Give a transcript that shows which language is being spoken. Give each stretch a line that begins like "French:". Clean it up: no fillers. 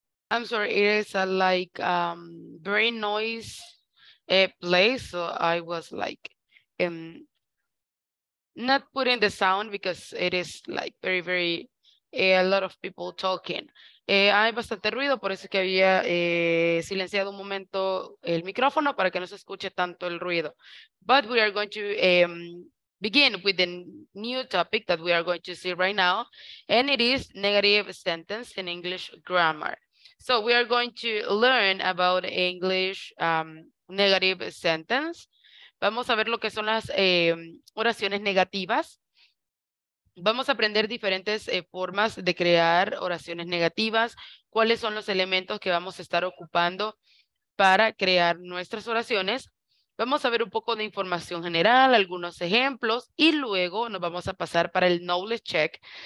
English: I'm sorry, it is a like brain noise place, so I was like not putting the sound because it is like very a lot of people talking.
Spanish: Hay bastante ruido, por eso es que había silenciado un momento el micrófono para que no se escuche tanto el ruido.
English: But we are going to begin with the new topic that we are going to see right now, and it is negative sentence in English grammar. So we are going to learn about English negative sentence.
Spanish: Vamos a ver lo que son las oraciones negativas. Vamos a aprender diferentes formas de crear oraciones negativas. ¿Cuáles son los elementos que vamos a estar ocupando para crear nuestras oraciones? Vamos a ver un poco de información general, algunos ejemplos, y luego nos vamos a pasar para el Knowledge Check.